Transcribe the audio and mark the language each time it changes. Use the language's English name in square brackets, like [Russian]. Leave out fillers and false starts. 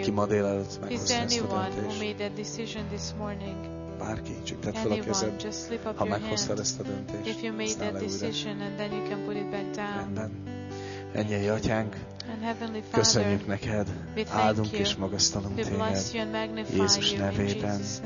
[Hungarian] aki ma délelőtt meghozta ezt a döntést? Bárki, csak tedd fel a kezed, ha meghoztad ezt a döntést, [English] if you made that decision, and then you can put it back down. [Hungarian] Rendben. Ennyi, Atyánk. [English] And Heavenly Father, [Hungarian] köszönjük neked, áldunk és magasztalunk téged, Jézus nevében.